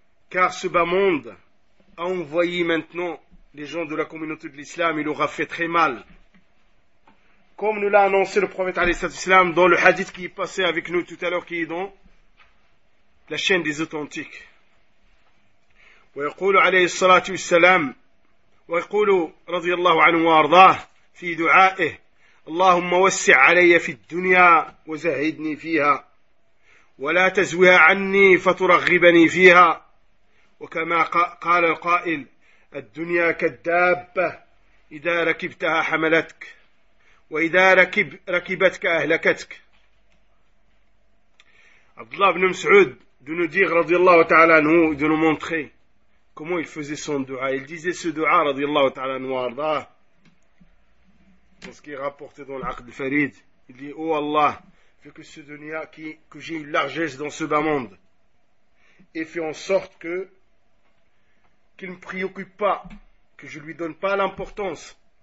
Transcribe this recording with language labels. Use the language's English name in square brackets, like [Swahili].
[French] Car ce bas monde a envoyé maintenant les gens de la communauté de l'islam, il aura fait très mal. Comme nous l'a annoncé le prophète alayhi salatu wasalam dans le hadith qui est passé avec nous tout à l'heure, qui est dans la chaîne des authentiques. [Arabic] Wa yaqulu alayhi salatu wasalam ويقول رضي الله عنه وأرضاه في دعائه: اللهم وسع علي في الدنيا وزهدني فيها، ولا تزوها عني فترغبني فيها. وكما قال القائل: الدنيا كالدابة، إذا ركبتها حملتك، وإذا ركبتك أهلكتك. عبد الله بن مسعود [French] de nous dire, radiyallahu ta'ala anhu, de nous montrer comment il faisait son dua. Il disait ce dua, radiyallahu ta'ala anhu, dans ce qui est rapporté dans l'Aqd Farid. Il dit: oh Allah, fais que ce dunya, que j'ai une largesse dans ce bas monde, et fais en sorte qu'il ne me préoccupe pas, que je ne lui donne pas l'importance.